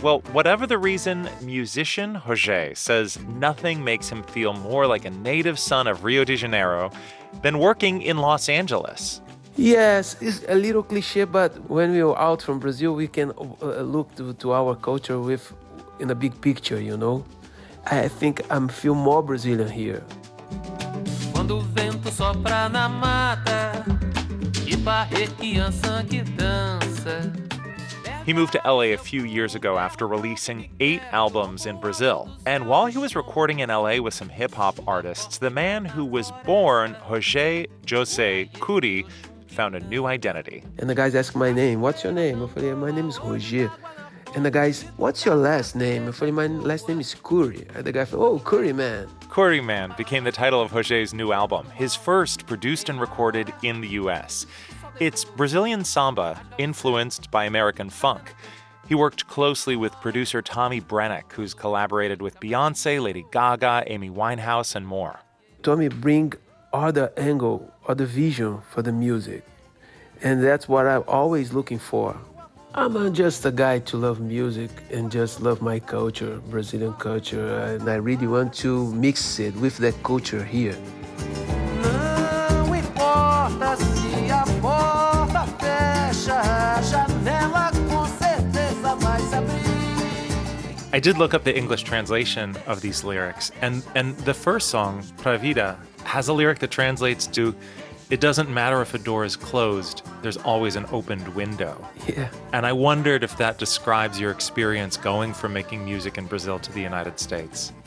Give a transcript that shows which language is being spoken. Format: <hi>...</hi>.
<en>Well, whatever the reason, musician Jorge says nothing makes him feel more like a native son of Rio de Janeiro than working in Los Angeles. Yes, it's a little cliche, but when we are out from Brazil, we can look to our culture with in a big picture, you know? I think I'm feel more Brazilian here.</en> <pt>Quando o vento sopra na mata, e parrequiança que dança.</pt> <en>He moved to LA a few years ago after releasing 8 albums in Brazil. And while he was recording in LA with some hip-hop artists, the man who was born Jorge José Cury found a new identity. And the guys asked my name, what's your name? I said, my name is Jorge. And the guy said, what's your last name? I said, my last name is Cury. And the guy said, oh, Cury Man. Cury Man became the title of Jorge's new album, his first produced and recorded in the U.S. It's Brazilian samba, influenced by American funk. He worked closely with producer Tommy Brennick, who's collaborated with Beyoncé, Lady Gaga, Amy Winehouse, and more. Tommy bring other angle, other vision for the music. And that's what I'm always looking for. I'm just a guy to love music and just love my culture, Brazilian culture, and I really want to mix it with that culture here.</en> <pt>Não importa se a porta fecha, a janela com certeza vai se abrir.</pt> <en>I did look up the English translation of these lyrics, and the first song, Pra Vida, has a lyric that translates to, it doesn't matter if a door is closed, there's always an opened window. Yeah. And I wondered if that describes your experience going from making music in Brazil to the United States.</en>